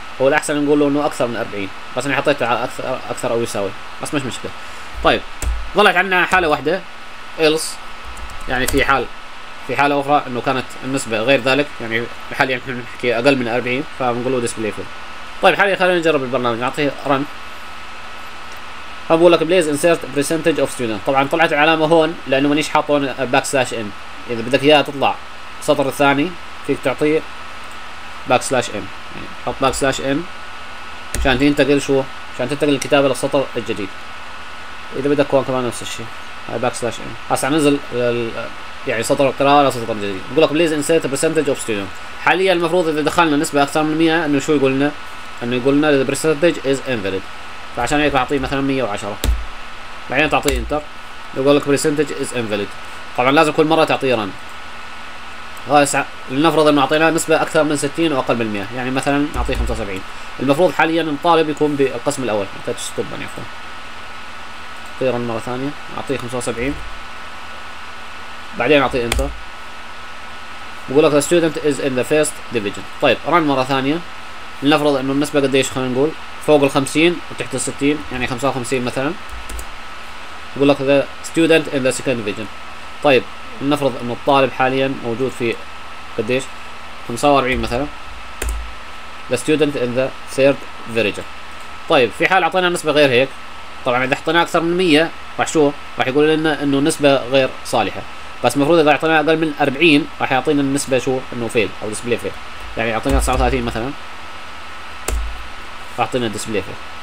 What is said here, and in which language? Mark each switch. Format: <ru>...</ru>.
<ar>هو الاحسن نقول له انه اكثر من اربعين، بس انا حطيته على اكثر او يساوي، بس مش مشكلة. طيب ظلت عندنا حالة واحدة إلس، يعني في حالة أخرى إنه كانت النسبة غير ذلك، يعني الحالة يعني نحكي أقل من 40، فبنقول له</ar> <en>display full.</en> <ar>طيب حاليا خلينا نجرب البرنامج، نعطيه run. فبقول لك</ar> <en>please insert percentage of student.</en> <ar>طبعا طلعت العلامة هون لأنه مانيش حاطه هون backslash n. إذا بدك إياها تطلع السطر الثاني فيك تعطيه backslash n، يعني حط backslash n عشان تنتقل شو؟ عشان تنتقل الكتابة للسطر الجديد. إذا بدك هون كمان نفس الشيء، هاي backslash n. هسا ننزل يعني سطر القراءة لسطر جديد. بقول لك</ar> <en>please insert percentage of student.</en> <ar>حاليا المفروض إذا دخلنا نسبة أكثر من 100 إنه شو يقولنا؟ إنه يقولنا</ar> <en>the percentage is invalid.</en> <ar>فعشان هيك بعطيه مثلا 110. بعدين تعطيه انتر. يقول لك</ar> <en>percentage is invalid.</en> <ar>طبعا لازم كل مرة تعطيه run. هسا لنفرض إنه أعطيناه نسبة أكثر من 60 وأقل من 100، يعني مثلا نعطيه 75. المفروض حاليا الطالب يكون بالقسم الأول. أعطيته ستوب يا أخوان. أعطيه run مرة ثانية. أعطيه 75. بعدين اعطيه انتر. بقول لك</ar> <en>the student is in the first division.</en> <ar>طيب run مره ثانيه، لنفرض انه النسبه قديش؟ خلينا نقول فوق ال 50 وتحت ال 60، يعني 55 مثلا. بقول لك</ar> <en>the student in the second division.</en> <ar>طيب لنفرض انه الطالب حاليا موجود في قديش؟ 45 مثلا.</ar> <en>the student in the third division.</en> <ar>طيب في حال اعطينا نسبه غير هيك، طبعا اذا حطيناها اكثر من 100 راح شو؟ راح يقول لنا انه نسبه غير صالحه. بس المفروض اذا اعطيناه اقل من 40 راح يعطينا النسبه شو؟ انه فيل او ديسبلاي فيل. يعني اعطينا 39 مثلا راح يعطينا ديسبلاي فيل.</ar>